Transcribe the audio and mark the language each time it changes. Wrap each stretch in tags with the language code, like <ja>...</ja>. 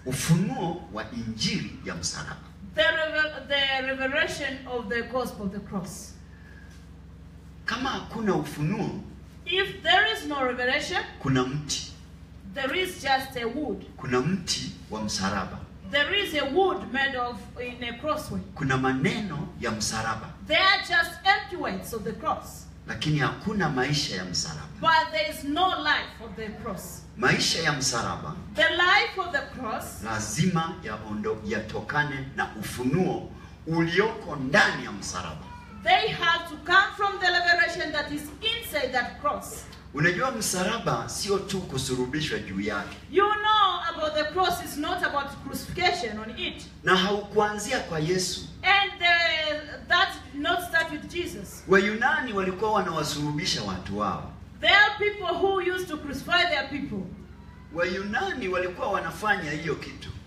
<sw>Ufunuo wa injili ya msalaba.</sw> <en>The revelation of the gospel of the cross.</en> <sw>Kama hakuna ufunuo,</sw> <en>if there is no revelation,</en> <sw>kuna mti.</sw> <en>There is just a wood.</en> <sw>Kuna mti wa msalaba.</sw> <en>There is a wood made of in a crossway.</en> <sw>Kuna maneno ya msalaba.</sw> <en>They are just empty words of the cross.</en> <sw>Lakini hakuna maisha ya msalaba.</sw> <en>But there is no life of the cross.</en> <sw>Maisha ya msalaba.</sw> <en>The life of the cross.</en> <sw>Lazima yatokane na ufunuo ulioko ndani ya msalaba.</sw> <en>They have to come from the revelation that is inside that cross.</en> <sw>Unajua msalaba sio tu kusulubishwa juu yake.</sw> <en>You know about the cross is not about crucifixion on it.</en> <sw>Na haukuanzia kwa Yesu.</sw> <en>And that not start with Jesus.</en> <sw>Wayunani walikuwa wanawasulubisha watu wao.</sw> <en>There are people who used to crucify their people.</en> <sw>Wayunani walikuwa wanafanya hiyo kitu.</sw>